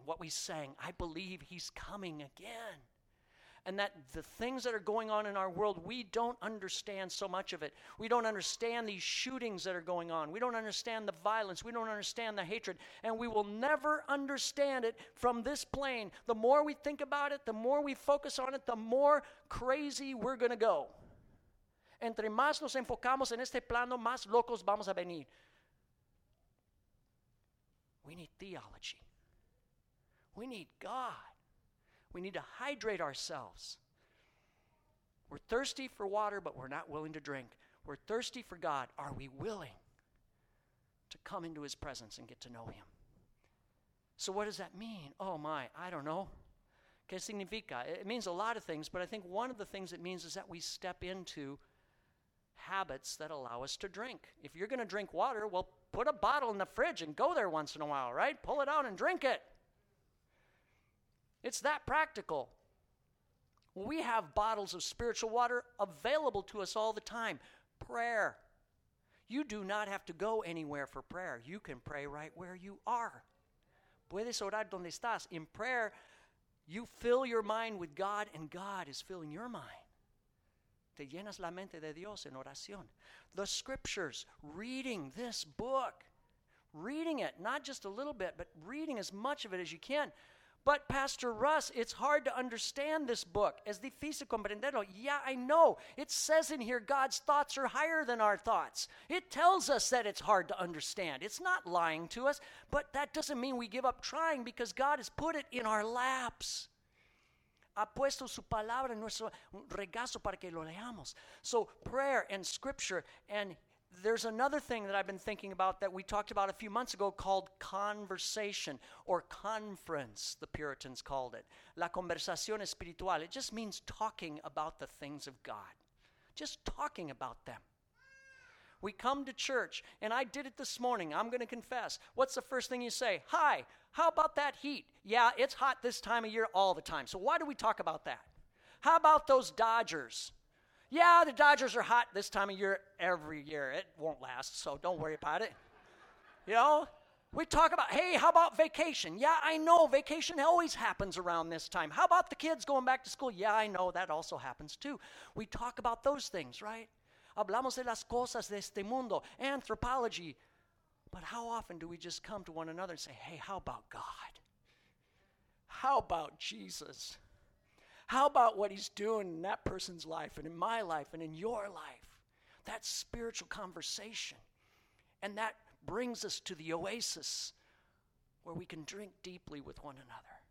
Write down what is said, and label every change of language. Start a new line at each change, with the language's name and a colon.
English: What we sang, I believe He's coming again. And that the things that are going on in our world, we don't understand so much of it. We don't understand these shootings that are going on. We don't understand the violence. We don't understand the hatred. And we will never understand it from this plane. The more we think about it, the more we focus on it, the more crazy we're going to go.
Spanish: Entre más nos enfocamos en este plano, más locos vamos a venir.
English: We need theology. We need God. We need to hydrate ourselves. We're thirsty for water, but we're not willing to drink. We're thirsty for God. Are we willing to come into His presence and get to know Him? So what does that mean? Oh my, I don't know.
Spanish: ¿Qué significa?
English: It means a lot of things, but I think one of the things it means is that we step into habits that allow us to drink. If you're going to drink water, well, put a bottle in the fridge and go there once in a while, right? Pull it out and drink it. It's that practical. We have bottles of spiritual water available to us all the time. Prayer. You do not have to go anywhere for prayer. You can pray right where you are.
Spanish: Puedes orar donde estás.
English: In prayer, you fill your mind with God, and God is filling your mind.
Spanish: Te llenas la mente de Dios en oración.
English: The scriptures, reading this book, reading it, not just a little bit, but reading as much of it as you can. But Pastor Russ, it's hard to understand this book.
Spanish: Es difícil comprenderlo.
English: Yeah, I know. It says in here God's thoughts are higher than our thoughts. It tells us that it's hard to understand. It's not lying to us, but that doesn't mean we give up trying because God has put it in our laps.
Spanish: Ha puesto su palabra en nuestro regazo para que lo leamos.
English: So prayer and scripture. And there's another thing that I've been thinking about that we talked about a few months ago called conversation or conference, the Puritans called it.
Spanish: La conversación espiritual.
English: It just means talking about the things of God. Just talking about them. We come to church, and I did it this morning. I'm going to confess. What's the first thing you say? Hi, how about that heat? Yeah, it's hot this time of year all the time. So why do we talk about that? How about those Dodgers? Yeah, the Dodgers are hot this time of year every year. It won't last, so don't worry about it. You know? We talk about, hey, how about vacation? Yeah, I know, vacation always happens around this time. How about the kids going back to school? Yeah, I know, that also happens too. We talk about those things, right?
Spanish: Hablamos de las cosas de este mundo, anthropology.
English: But how often do we just come to one another and say, hey, how about God? How about Jesus? How about what he's doing in that person's life and in my life and in your life? That spiritual conversation. And that brings us to the oasis where we can drink deeply with one another.